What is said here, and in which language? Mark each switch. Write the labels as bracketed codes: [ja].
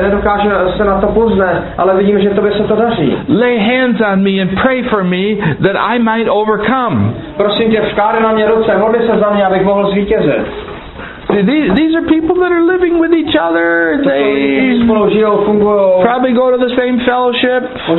[cs] Nedokážu se na to poznat, ale vidím, že tobě se to daří. [en] Lay hands on me and pray for me that I might overcome. [cs] Prosím tě, vkládej na mě ruce. Modli se za mě, abych mohl zvítězit. [en] These are people that are living with each other. They probably go to the same fellowship.